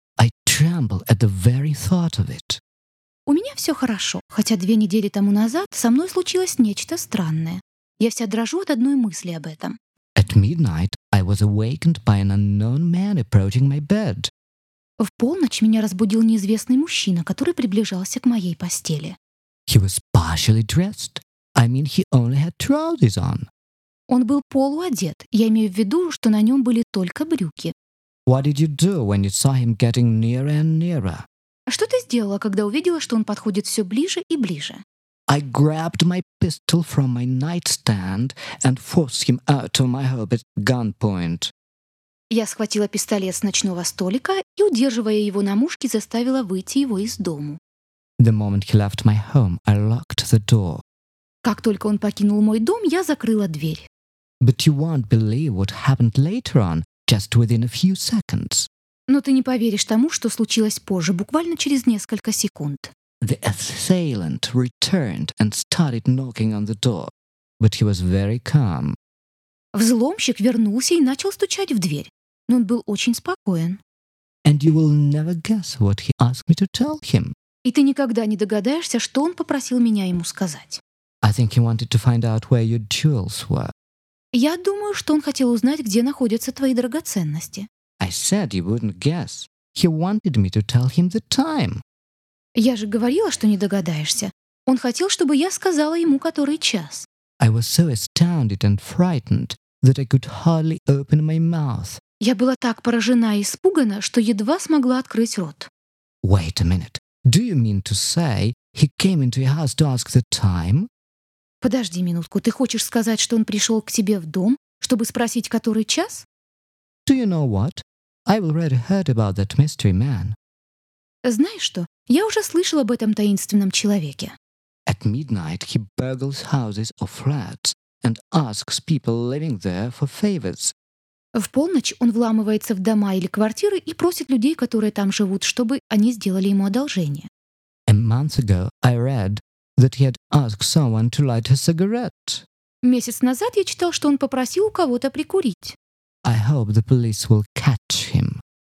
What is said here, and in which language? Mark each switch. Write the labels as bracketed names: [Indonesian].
[English] I tremble at the very thought of it. [Russian] У меня все хорошо, хотя две недели тому назад со мной случилось нечто странное. Я вся дрожу от одной мысли об этом. [English] At midnight, I was awakened by an unknown man approaching my bed. [Russian] В полночь меня разбудил неизвестный мужчина, который приближался к моей постели. [English] He was partially dressed. I mean, he only had trousers on. [Russian] Он был полуодет. Я имею в виду, что на нем были только брюки. [English] What did you do when you saw him getting nearer and nearer? [Russian] А что ты сделала, когда увидела, что он подходит все ближе и ближе? [English] I grabbed my pistol from my nightstand and forced him out of my home at gunpoint. [Russian] Я схватила пистолет с ночного столика и, удерживая его на мушке, заставила выйти его из дому. [English] The moment he left my home, I locked the door. [Russian] Как только он покинул мой дом, я закрыла дверь. [English] But you won't believe what happened later on, just within a few seconds. [Russian] Но ты не поверишь тому, что случилось позже, буквально через несколько секунд. [English] The assailant returned and started knocking on the door, but he was very calm. [Russian] Взломщик вернулся и начал стучать в дверь, но он был очень спокоен. [English] And you will never guess what he asked me to tell him. [Russian] И ты никогда не догадаешься, что он попросил меня ему сказать. [English] I think he wanted to find out where your jewels were. [Russian] Я думаю, что он хотел узнать, где находятся твои драгоценности. [English] I said you wouldn't guess. He wanted me to tell him the time. [Russian] Я же говорила, что не догадаешься. Он хотел, чтобы я сказала ему, который час. [English] I was so astounded and frightened that I could hardly open my mouth. [Russian] Я была так поражена и испугана, что едва смогла открыть рот. [English] Wait a minute. Do you mean to say he came into your house to ask the time? [Russian] Подожди минутку, ты хочешь сказать, что он пришел к тебе в дом, чтобы спросить, который час? [English] Do you know what? I've already heard about that mystery man. [Russian] Знаешь что? Я уже слышал об этом таинственном человеке. [English] At midnight he burgles houses or flats and asks people living there for favors. [Russian] В полночь он вламывается в дома или квартиры и просит людей, которые там живут, чтобы они сделали ему одолжение. [English] A month ago I read that he had asked someone to light a cigarette. [Russian] Месяц назад я читал, что он попросил у кого-то прикурить. [English] I hope the police will catch him.